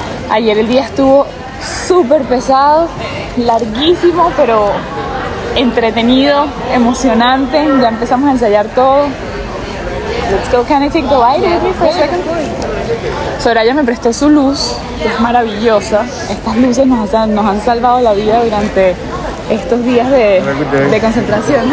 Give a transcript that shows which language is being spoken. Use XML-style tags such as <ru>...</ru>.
<es>Ayer el día estuvo super pesado, larguísimo, pero entretenido, emocionante. Ya empezamos a ensayar todo.</es> <en>Let's go, can I take the light with me for a second?</en> <es>Soraya me prestó su luz, que es maravillosa. Estas luces nos han salvado la vida durante estos días de concentración.</es>